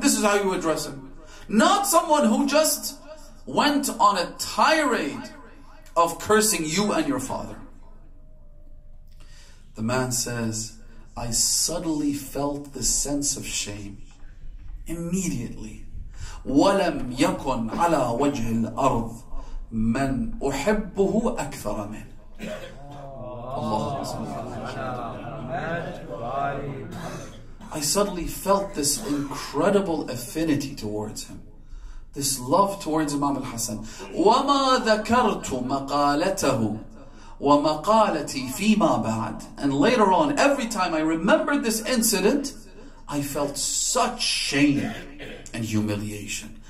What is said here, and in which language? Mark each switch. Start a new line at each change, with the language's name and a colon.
English: This is how you address him. Not someone who just went on a tirade of cursing you and your father. The man says, I suddenly felt the sense of shame. Immediately.
Arabic: وَلَمْ يَكُنْ عَلَىٰ وَجْهِ الْأَرْضِ مَنْ أُحِبُّهُ أَكْثَرَ مِنْ Allah.
English: I suddenly felt this incredible affinity towards him. This love towards Imam al-Hassan.
Arabic: وَمَا ذَكَرْتُ مَقَالَتَهُ وَمَقَالَتِي فِي مَا بَعَدْ
English: And later on, every time I remembered this incident, I felt such shame and humiliation.